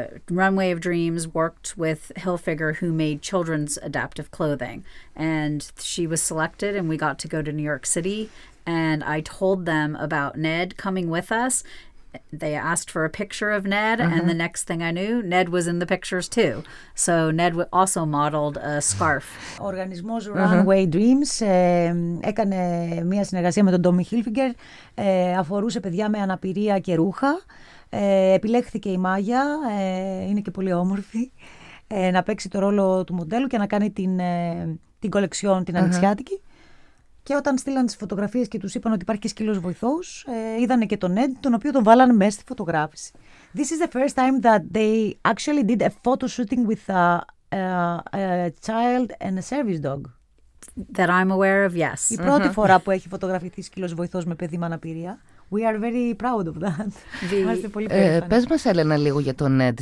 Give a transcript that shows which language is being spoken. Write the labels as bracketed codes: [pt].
[en] Runway of Dreams worked with Hilfiger, who made children's adaptive clothing. And she was selected, and we got to go to New York City. And I told them about Ned coming with us. They asked for a picture of Ned, uh-huh. and the next thing I knew, Ned was in the pictures too. So Ned also modeled a scarf. [el] Ο οργανισμός Runway Dreams έκανε μια συνεργασία με τον Tommy Hilfiger. Αφορούσε παιδιά με αναπηρία και ρούχα. Επιλέχθηκε η Μάγια, είναι και πολύ όμορφη, να παίξει το ρόλο του μοντέλου και να κάνει την κολεξιόν την ανοιξιάτικη. Και όταν στείλαν τις φωτογραφίες και τους είπαν ότι υπάρχει και σκύλος βοηθός, είδανε και τον Ed, τον οποίο τον βάλανε μέσα στη φωτογράφηση. [en] This is the first time that they actually did a photo shooting with a child and a service dog. That I'm aware of, yes. [el] Η πρώτη mm-hmm. φορά που έχει φωτογραφηθεί σκύλος βοηθός με παιδί με αναπηρία. [en] We are very proud of that. [el] Είμαστε πολύ περήφανοι. Πες μας, Έλενα, λίγο για τον Ed.